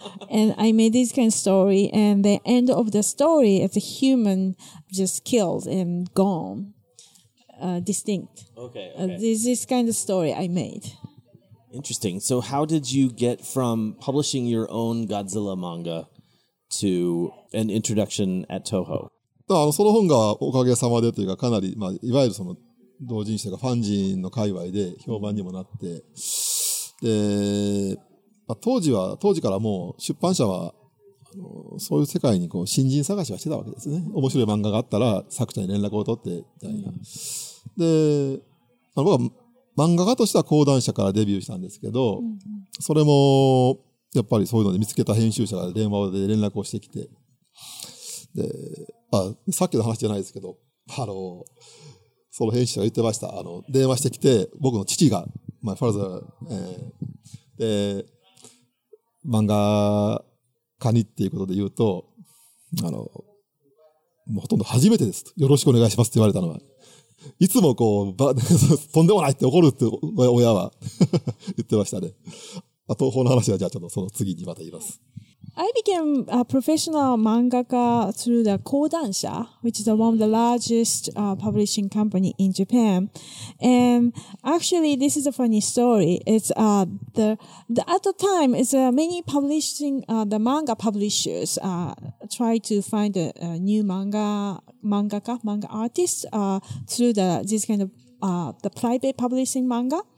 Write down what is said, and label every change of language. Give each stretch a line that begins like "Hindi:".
English: And I made this kind of story, and the end of the story is a human just killed and gone, distinct. Okay. This kind of story I made. Interesting. So how did you get from publishing your own Godzilla manga to an introduction at Toho?
Japanese: その本がおかげさまでというかかなり、まあ、いわゆるその同人誌というかファンジンの界隈で評判にもなってで、まあ、当時からもう出版社はそういう世界にこう新人探しはしてたわけですね。面白い漫画があったら作者に連絡を取ってみたいな。で、僕は漫画家としては講談社からデビューしたんですけど、それもやっぱりそういうので見つけた編集者が電話で連絡をしてきて、で、あ、さっきの話じゃないですけど、その編集者が言ってました。電話してきて、僕の父が、
English: my father、
Japanese: で、漫画家にっていうことで言うと、もうほとんど初めてですと。よろしくお願いしますって言われたのは。いつもこうとんでもないって怒るって親は言ってましたね。東方の話はじゃあちょっとその次にまた言います。
English: I became a professional mangaka through the Kodansha, which is one of the largest publishing company in Japan. And actually, this is a funny story. It's many publishing the manga publishers try to find a new manga artist through the private publishing manga.